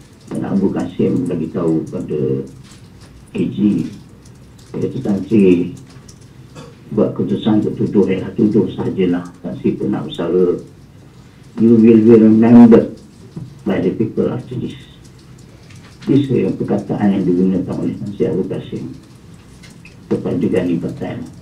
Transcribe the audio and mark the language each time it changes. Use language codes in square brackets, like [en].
[ms] Dan Abu Kasim bagi tahu pada KG, iaitu Tan Sri buat keputusan untuk tuduh, tuduh sahajalah Tan Sri pun nak bersara. [en] You will be remembered by the people after this. This is [ms] yang perkataan yang digunakan oleh Tan Sri Abu Kasim kepada Gani Patel.